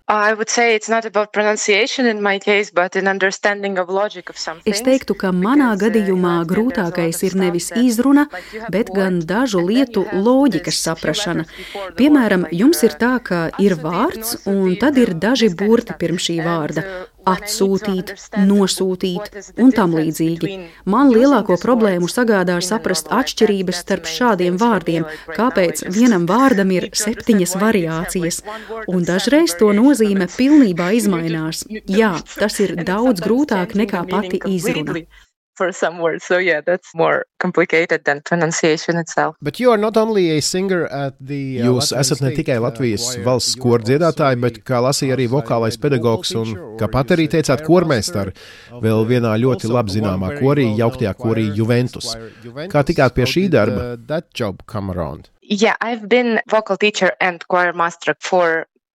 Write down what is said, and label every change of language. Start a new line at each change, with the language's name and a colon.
English: I would say it's not about pronunciation in my case, but in understanding of logic of something.
Latvian: Es teiktu, ka manā gadījumā grūtākais ir nevis izruna, bet gan dažu lietu loģikas saprašana. Piemēram, jums ir tā, ka ir vārds, un tad ir daži burti pirms šī vārda. Atsūtīt, nosūtīt un tam līdzīgi. Man lielāko problēmu sagādā saprast atšķirības starp šādiem vārdiem, kāpēc vienam vārdam ir 7 variācijas. Un dažreiz to nozīme pilnībā izmainās. Jā, tas ir daudz grūtāk nekā pati izruna.
English: For some words, so yeah, that's more complicated than pronunciation itself. But you are not only a singer at the
Latvian: Jūs esat ne tikai Latvijas valsts kora dziedātāji, bet kā lasīja arī vokālais pedagogs un kā pat arī teicāt kormeistari vēl vienā ļoti labi zināmā korī, jauktajā korī Juventus. Kā tikāt pie šī darba?
English: That job come around. Yeah, I've been vocal teacher and choir master for